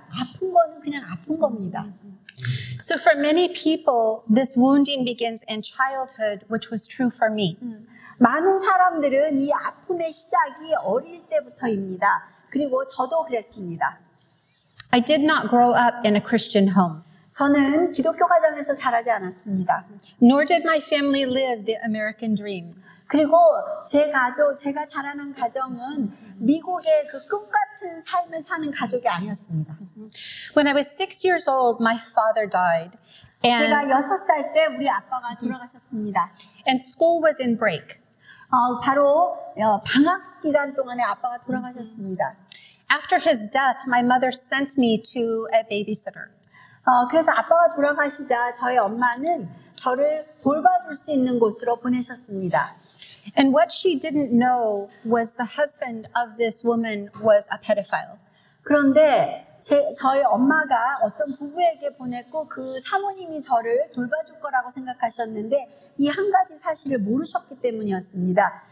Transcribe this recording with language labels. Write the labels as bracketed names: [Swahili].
[Korean] 아픈 거는 그냥 아픈 겁니다. [English] So for many people, this wounding begins in childhood, which was true for me. [Korean] 많은 사람들은 이 아픔의 시작이 어릴 때부터입니다. 그리고 저도 그랬습니다. [English] I did not grow up in a Christian home. [Korean] 저는 기독교 가정에서 자라지 않았습니다. [English] Nor did my family live the American dream. [Korean] 그리고 제가 자라난 가정은 미국의 그 꿈 같은 삶을 사는 가족이 아니었습니다. [English] When I was 6 years old, my father died. [Korean] And 제가 6살 때 우리 아빠가 돌아가셨습니다. [English] And school was in break. [Korean] 바로 방학 기간 동안에 아빠가 돌아가셨습니다. [English] After his death, my mother sent me to a babysitter. [Korean] 그래서 아빠가 돌아가시자 저희 엄마는 저를 돌봐줄 수 있는 곳으로 보내셨습니다. [English] And what she didn't know was the husband of this woman was a pedophile. [Korean] 그런데 저희 엄마가 어떤 부부에게 보냈고 그 사모님이 저를 돌봐줄 거라고 생각하셨는데 이 한 가지 사실을 모르셨기 때문이었습니다.